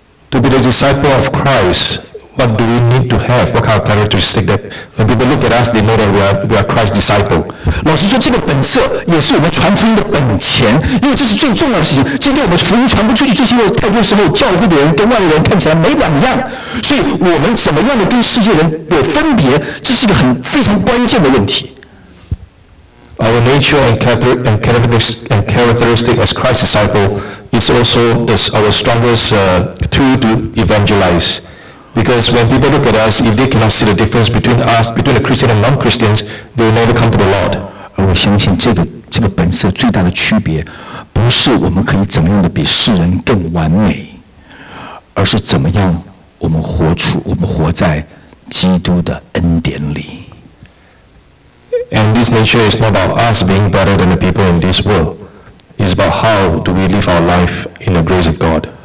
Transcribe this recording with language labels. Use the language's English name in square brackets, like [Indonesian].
[English] To be the disciple of Christ, what do we need to have? What kind of characteristic that when people look at us, they know that we are Christ's disciple. [Chinese] 老师说，这个本色也是我们传福音的本钱，因为这是最重要的事情。今天我们福音传不出去，就是因为太多时候教会的人跟外人看起来没两样。所以我们怎么样的跟世界人有分别，这是一个很非常关键的问题。 [English] Our nature and characteristic as Christ's disciple is also our strongest tool to evangelize. Because when people look at us, if they cannot see the difference between us, between the Christian and non-Christians, they will never come to the Lord. [Chinese] 而我相信这个本色最大的区别，不是我们可以怎么样的比世人更完美，而是怎么样我们活在基督的恩典里。 [English] And this nature is not about us being better than the people in this world. It's about how do we live our life in the grace of God.